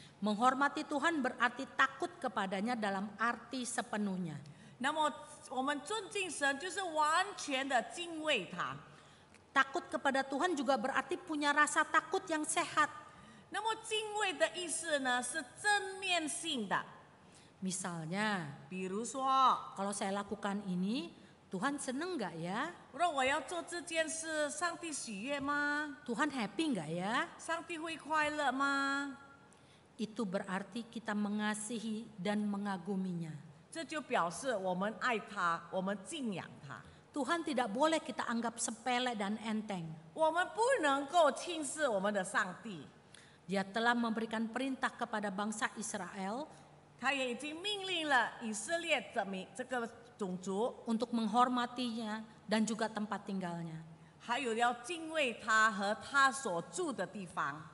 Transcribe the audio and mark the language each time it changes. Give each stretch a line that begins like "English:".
Indonesian: Menghormati Tuhan berarti takut kepadanya dalam arti sepenuhnya.
Chinese: 那么我们尊敬神就是完全的敬畏他。
Indonesian: Takut kepada Tuhan juga berarti punya rasa takut yang sehat.
Chinese: 那么敬畏的意思呢是正面性的。
Indonesian: Misalnya,
Chinese: 比如说,
Indonesian: kalau saya lakukan ini, Tuhan senang enggak ya?
Chinese: 若我要做这件事，上帝喜悦吗？
Indonesian: Tuhan happy enggak ya?
Chinese: 上帝会快乐吗？
Indonesian: Itu berarti kita mengasihi dan mengaguminya.
Chinese: 这就表示我们爱他，我们敬仰他。
Indonesian: Tuhan tidak boleh kita anggap sepele dan enteng.
Chinese: 我们不能够轻视我们的上帝。
Indonesian: Dia telah memberikan perintah kepada bangsa Israel.
Chinese: 他也已经命令了以色列这个种族。
Indonesian: Untuk menghormatinya dan juga tempat tinggalnya.
Chinese: 还有要敬畏他和他所住的地方。